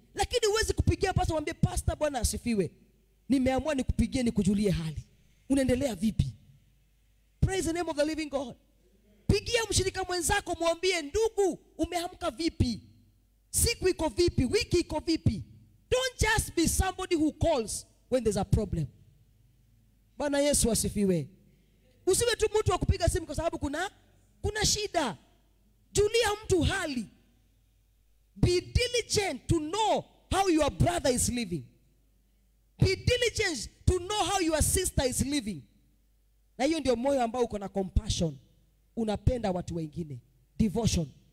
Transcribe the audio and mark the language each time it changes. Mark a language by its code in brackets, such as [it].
[sw] Lakini uwezi kupigia pasta mwambie pastor Bwana asifiwe. Nimeamua nikupigie nikujulie hali. Unaendelea vipi? [en] Praise the name of the living God. [sw] Pigia mshirika mwenzako mwambie ndugu umeamka vipi? Siku iko vipi? Wiki iko vipi? [en] Don't just be somebody who calls when there's a problem. [sw] Bwana Yesu asifiwe. Usiwe tu mtu wa kupiga simu kwa sababu kuna shida. Julia mtu hali. [en] Be diligent to know how your brother is living. Be diligent to know how your sister is living. [sw] Na hiyo ndio moyo ambao uko na compassion. Unapenda watu wengine. Devotion.